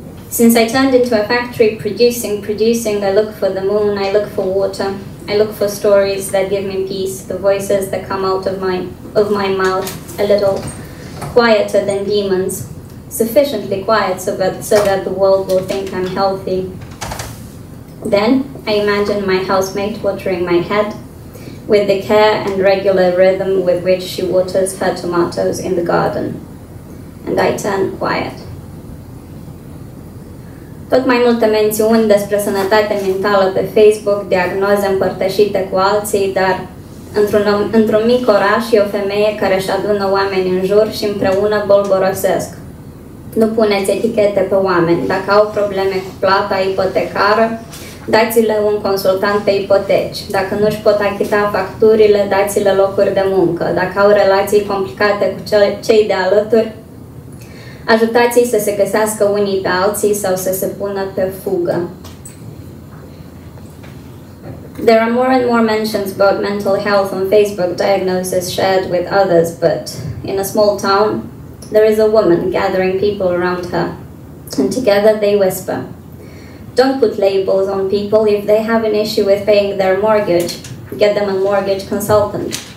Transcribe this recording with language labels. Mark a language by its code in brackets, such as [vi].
[en] Since I turned into a factory producing, I look for the moon, I look for water, I look for stories that give me peace, the voices that come out of my mouth, a little quieter than demons, sufficiently quiet so that the world will think I'm healthy. Then, I imagine my housemate watering my head with the care and regular rhythm with which she waters her tomatoes in the garden. And I turn quiet. [ro] Tot mai multe mențiuni despre sănătate mentală pe Facebook, diagnoze împărtășite cu alții, dar într-un mic oraș e o femeie care își adună oameni în jur și împreună bolborosesc. Nu puneți etichete pe oameni. Dacă au probleme cu plata ipotecară, dați-le un consultant pe ipoteci. Dacă nu-și pot achita facturile, dați-le locuri de muncă. Dacă au relații complicate cu cei de alături, ajutați-i să se găsească unii pe alții sau să se pună pe fugă. [en] There are more and more mentions about mental health on Facebook diagnosis shared with others, but in a small town, there is a woman gathering people around her, and together they whisper, don't put labels on people if they have an issue with paying their mortgage, get them a mortgage consultant.